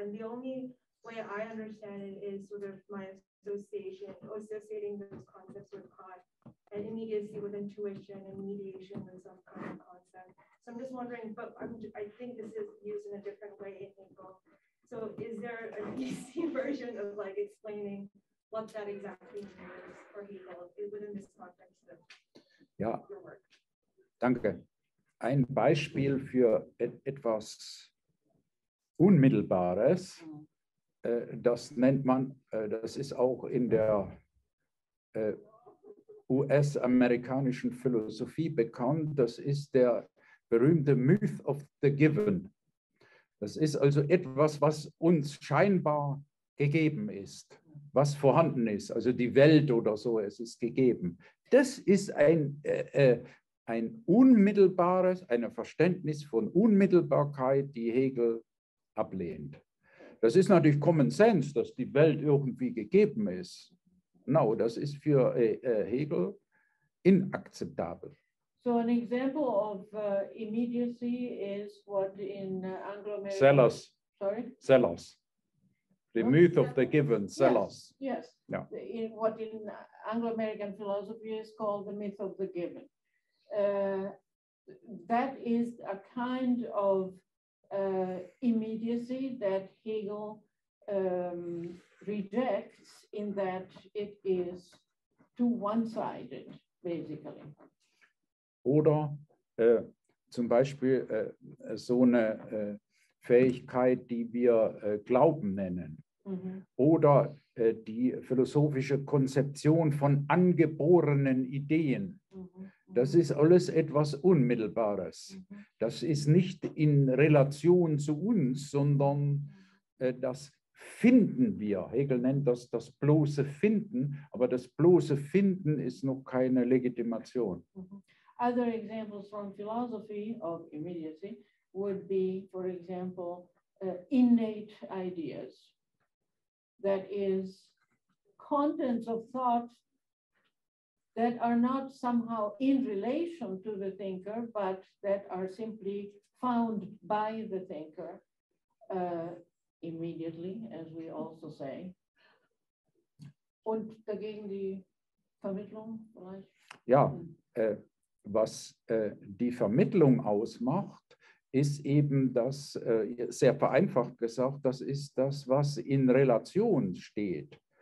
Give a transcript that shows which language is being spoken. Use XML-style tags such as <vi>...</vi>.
<en>And the only way I understand it is sort of my association, associating those concepts with Kant and immediacy with intuition and mediation with some kind of concept. So I'm just wondering, but I think this is used in a different way in Hegel. So is there an easy version of like explaining what that exactly means for Hegel within this context of your work?</en> <de>Danke. Ein Beispiel für etwas Unmittelbares, das nennt man, das ist auch in der US-amerikanischen Philosophie bekannt, das ist der berühmte Myth of the Given. Das ist also etwas, was uns scheinbar gegeben ist, was vorhanden ist, also die Welt oder so, es ist gegeben. Das ist ein unmittelbares, ein Verständnis von Unmittelbarkeit, die Hegel ablehnt. Das ist natürlich Common Sense, dass die Welt irgendwie gegeben ist. Genau, das ist für Hegel inakzeptabel.</de> <en>So an example of immediacy is what in Anglo-American... Sellers. Sorry? Sellers. The myth of the given, Sellers. Yes, yes. Yeah. In what in Anglo-American philosophy is called the myth of the given. That is a kind of immediacy that Hegel rejects in that it is too one-sided, basically.</en> <de>Oder zum Beispiel so eine Fähigkeit, die wir Glauben nennen. Mm-hmm. Oder die philosophische Konzeption von angeborenen Ideen. Mm-hmm. Das ist alles etwas Unmittelbares. Das ist nicht in Relation zu uns, sondern das finden wir. Hegel nennt das das bloße Finden, aber das bloße Finden ist noch keine Legitimation.</de> <en>Other examples from philosophy of immediacy would be, for example, innate ideas. That is, contents of thought that are not somehow in relation to the thinker, but that are simply found by the thinker immediately, as we also say.</en> <de>Und dagegen die Vermittlung vielleicht? Ja, was die Vermittlung ausmacht, ist eben das, sehr vereinfacht gesagt, das ist das, was in Relation steht.</de>